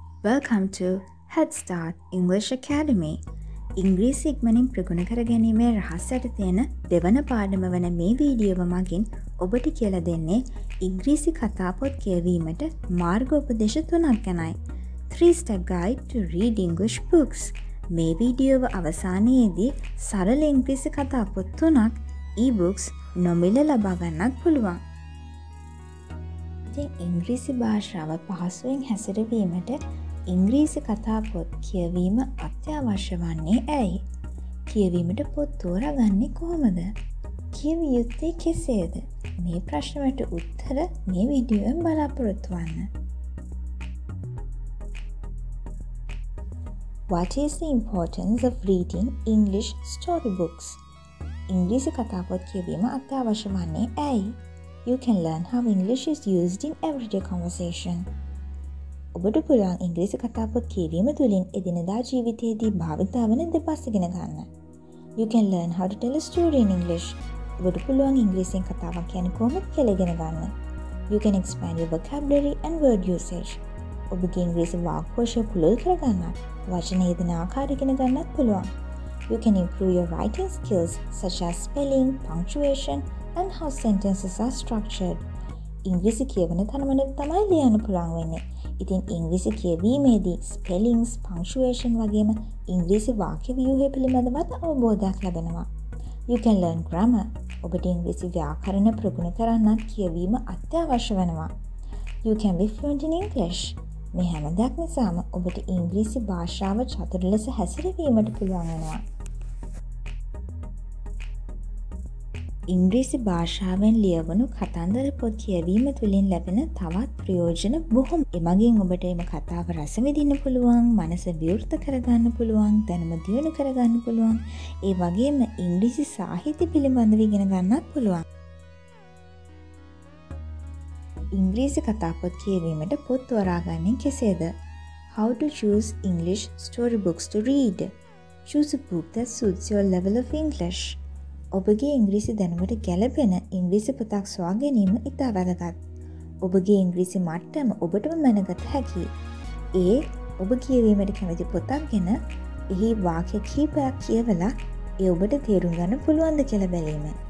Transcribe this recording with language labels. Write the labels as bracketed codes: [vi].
[en] Welcome to Head Start English Academy. [si] ඉංග්‍රීසි ඉක්මනින් ප්‍රගුණ කර ගැනීමේ රහස් ඇට තියෙන දෙවන පාඩම වන මේ වීඩියෝව මගින් ඔබට කියලා දෙන්නේ ඉංග්‍රීසි කතා පොත් කියවීමට මාර්ගෝපදේශ තුනක් ගැනයි. [en] 3 step guide to read English books. [si] මේ වීඩියෝව අවසානයේදී සරල ඉංග්‍රීසි කතා පොත් තුනක් e-books නොමිල ලබා ගන්නත් පුළුවන්. ඉංග්‍රීසි භාෂාව පහසුවෙන් හැසිරවීමට ඉංග්‍රීසි කතා පොත් කියවීම අත්‍යවශ්‍ය වන්නේ ඇයි? කියවීමට පොත් තෝරාගන්නේ කොහොමද? කියවිය යුත්තේ කෙසේද? මේ ප්‍රශ්නවලට උත්තර මේ වීඩියෝෙන් බලාපොරොත්තු වන්න. [en] What is the importance of reading English storybooks? [si] ඉංග්‍රීසි කතා පොත් කියවීම අත්‍යවශ්‍ය වන්නේ ඇයි? [en] You can learn how English is used in everyday conversation. [si] ඔබට පුළුවන් ඉංග්‍රීසි කතා පොත් කියවීම තුළින් එදිනදා ජීවිතයේදී භාවිතා වන දෙපස් ඉගෙන ගන්න. [en] You can learn how to tell a story in English. [si] ඔබට පුළුවන් ඉංග්‍රීසියෙන් කතාවක් කියන්නේ කොහොමද කියලා ඉගෙන ගන්න. [en] You can expand your vocabulary and word usage. [si] ඔබගේ ඉංග්‍රීසි වාක්කෝෂය පුළුල් කර ගන්නත්, වචන යෙදෙන ආකාර ඉගෙන ගන්නත් පුළුවන්. [en] You can improve your writing skills such as spelling, punctuation, and how sentences are structured. [si] ඉංග්‍රීසි කියවන තරමන තමයි ලියන්න පුළුවන් වෙන්නේ. ඉතින් ඉංග්‍රීසි කියවීමේදී spellings, punctuation වගේම ඉංග්‍රීසි වාක්‍ය ව්‍යුහය පිළිබඳවත් අවබෝධයක් ලැබෙනවා. [en] You can learn grammar. [si] ඔබට ඉංග්‍රීසි ව්‍යාකරණ ප්‍රගුණ කරන්නත් කියවීම අත්‍යවශ්‍ය වෙනවා. [en] You can be fluent in English. [si] මේ හැම දෙයක් නිසාම ඔබට ඉංග්‍රීසි භාෂාව චතුර ලෙස හැසිරවීමට පුළුවන් වෙනවා. ඉංග්‍රීසි භාෂාවෙන් ලියවුණු කතන්දර පොත් කියවීම තුළින් ලැබෙන තවත් ප්‍රයෝජන බොහොම. එමගින් ඔබට එම කතාව රසවිඳින්න පුළුවන්, මනස විවෘත කරගන්න පුළුවන්, දැනුම දියුණු කරගන්න පුළුවන්, ඒ වගේම ඉංග්‍රීසි සාහිත්‍ය පිළිබඳව ඉගෙන ගන්නත් පුළුවන්. ඉංග්‍රීසි කතා පොත් කියවීමට පොත් තෝරාගන්නේ කෙසේද? [en] How to choose English storybooks to read. Choose a book that suits your level of English. [si] ඔබගේ ඉංග්‍රීසි දැනුමට ගැළපෙන ඉංග්‍රීසි පොතක් සොයා ගැනීම ඉතා වැදගත්. ඔබගේ ඉංග්‍රීසි මට්ටම ඔබටම මැනගත හැකි. ඒ ඔබ කියවීමට කැමති පොතක් ගැන එහි වාක්‍ය කීපයක් කියවලා ඒ ඔබට තේරුම් ගන්න පුළුවන්ද කියලා බැලීම.